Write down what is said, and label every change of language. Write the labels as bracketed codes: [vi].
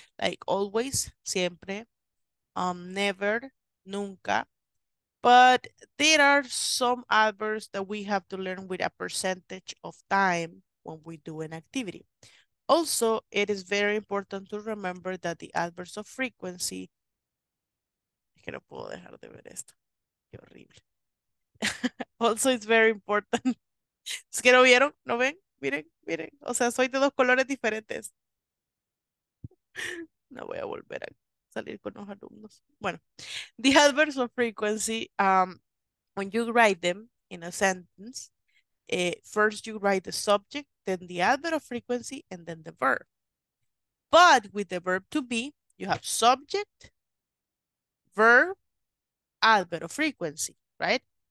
[en] Like always, siempre, never, nunca. But there are some adverbs that we have to learn with a percentage of time when we do an activity. Also, it is very important to remember that the adverbs of frequency... [es] Es que no puedo dejar de ver esto. Qué horrible. [en] Also, it's very important. [es] Es que no vieron, no ven, miren, miren. O sea, soy de dos colores diferentes. No voy a volver a salir con los alumnos. [en] Bueno, the adverbs of frequency, when you write them in a sentence, first you write the subject, then the adverb of frequency, and then the verb. But with the verb to be, you have subject, verb, adverb of frequency, right?